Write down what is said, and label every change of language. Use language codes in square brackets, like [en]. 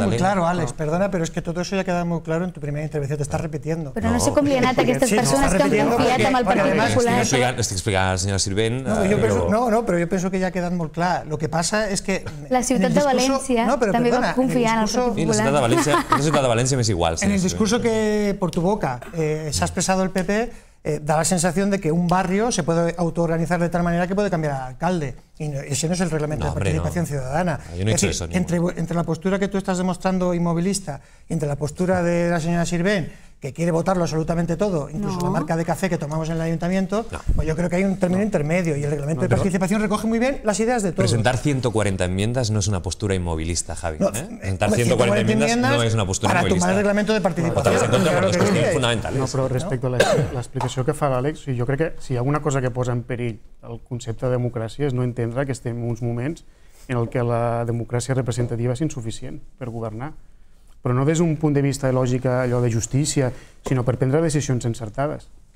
[ca] molt claro, Àlex, perdona, però és que tot això ja ha quedat molt claro en tu primera intervenció, t'està repetint. Però no sé com li han anat aquestes persones que han confiat amb el Partit Popular. Estic explicant a la senyora Sirvent. No, però jo penso que ja ha quedat molt clar. Lo que passa és que... La ciutat de València també va confiar en el Partit Popular. La ciutat de València m'és igual. [es] En el discurso que, por tu boca, [ca] s'ha expressat [es] el PP, da la sensación de que un barrio se puede autoorganizar de tal manera que puede cambiar al alcalde. Y ese no es el reglamento de participación ciudadana. Entre la postura que tú estás demostrando inmovilista y entre la postura de la señora Sirvent, que quiere votarlo absolutamente todo, incluso la marca de café que tomamos en el ayuntamiento, pues yo creo que hay un término intermedio y el reglamento de participación recoge muy bien las ideas de todos. Presentar 140 enmiendas no es una postura inmovilista, Javi. Presentar 140 enmiendas no es una postura inmovilista. Para tomar el reglamento de participación. Estamos en contra, pero es cuestión fundamental. No, pero respecto a la explicación [ca] que fa l'Àlex, [es] yo creo que [ca] si alguna cosa que posa en perill el concepte de democràcia és no entendre que estem en uns moments en què la democràcia representativa és insuficient per governar. Però no des d'un punt de vista de lògica, allò de justícia, sinó per prendre decisions encertades.